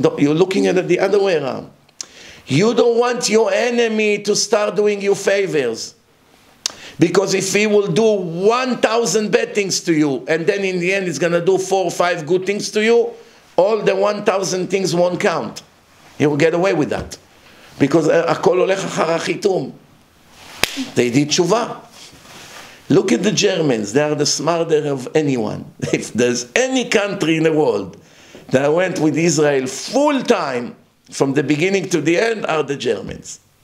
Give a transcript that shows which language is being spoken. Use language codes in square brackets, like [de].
[en] You're looking at it the other way around. You don't want your enemy to start doing you favors. Because if he will do 1,000 bad things to you, and then in the end he's going to do 4 or 5 good things to you, all the 1,000 things won't count. He will get away with that. Because [he] הכל הולך אחר החיתום. [en] They did תשובה. Look at the Germans. They are the smarter of anyone. If there's any country in the world that went with Israel full time, from the beginning to the end, are the Germans.